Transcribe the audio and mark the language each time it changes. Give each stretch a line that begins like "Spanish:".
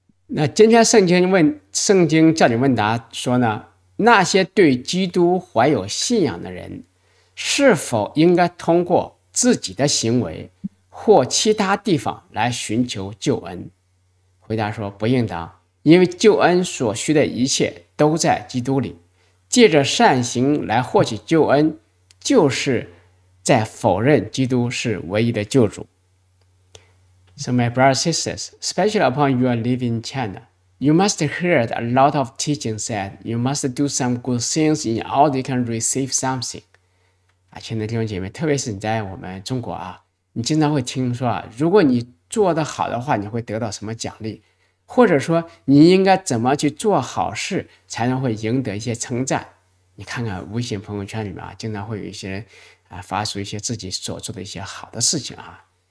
Chinese: 那今天圣经问圣经教理问答说呢，那些对基督怀有信仰的人是否应该通过自己的行为或其他地方来寻求救恩？回答说不应当，因为救恩所需的一切都在基督里，借着善行来获取救恩，就是在否认基督是唯一的救主。
English: So my brothers and sisters, especially upon your living in China, you must hear a lot of teaching said you must do some good things in order you can receive something.
Chinese: 亲爱的弟兄姐妹，特别是你在我们中国啊，你经常会听说，如果你做得好的话，你会得到什么奖励，或者说你应该怎么去做好事才能会赢得一些称赞。你看看微信朋友圈里面啊，经常会有一些人啊发出一些自己所做的一些好的事情啊。